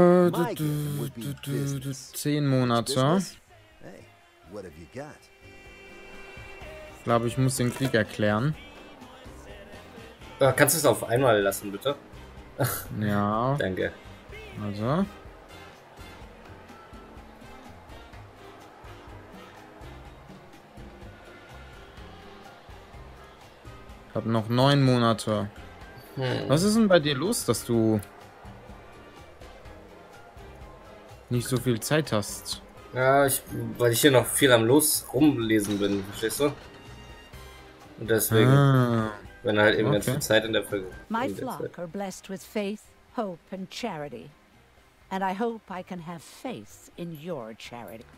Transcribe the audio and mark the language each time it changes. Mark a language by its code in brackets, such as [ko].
[en] My game would be business. [de] 10 Monate. [en] Hey, what have you got? [de] Ich glaube, ich muss den Krieg erklären. Kannst du es auf einmal lassen, bitte? Ja. Danke. Also. Ich habe noch 9 Monate. Was ist denn bei dir los, dass du nicht so viel Zeit hast? Ja, weil ich hier noch viel am Los rumlesen bin, verstehst du? Und deswegen, wenn halt eben ganz viel Zeit in der Folge. [en] My flock are blessed with faith, hope and charity. And I hope I can have faith in your charity.